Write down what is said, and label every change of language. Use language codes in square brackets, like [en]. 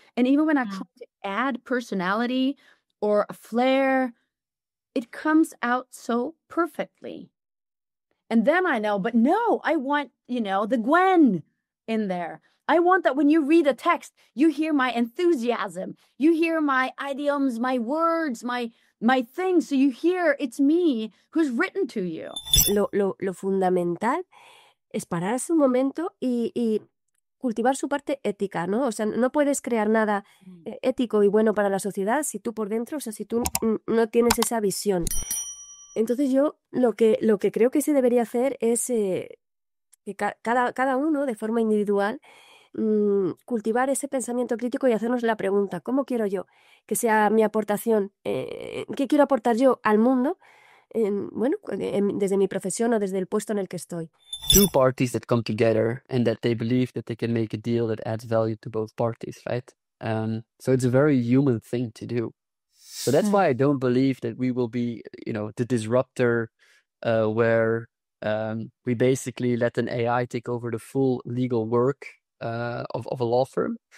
[en] And even when I try to add personality or a flair, it comes out so perfectly. And then I know, but no, I want, you know, the Gwen in there. I want that when you read a text, you hear my enthusiasm, you hear my idioms, my words, my thing. So you hear it's me who's written to you. [es] Lo fundamental es pararse un momento y cultivar su parte ética, ¿no? O sea, no puedes crear nada ético y bueno para la sociedad si tú por dentro, o sea, si tú no tienes esa visión. Entonces yo lo que creo que se debería hacer es que cada uno, de forma individual, cultivar ese pensamiento crítico y hacernos la pregunta, ¿cómo quiero yo que sea mi aportación? ¿Qué quiero aportar yo al mundo? Bueno, desde mi profesión o desde el puesto en el que estoy. [en] Two parties that come together and that they believe that they can make a deal that adds value to both parties, right? So it's a very human thing to do. So that's why I don't believe that we will be, you know, the disruptor where we basically let an AI take over the full legal work of a law firm.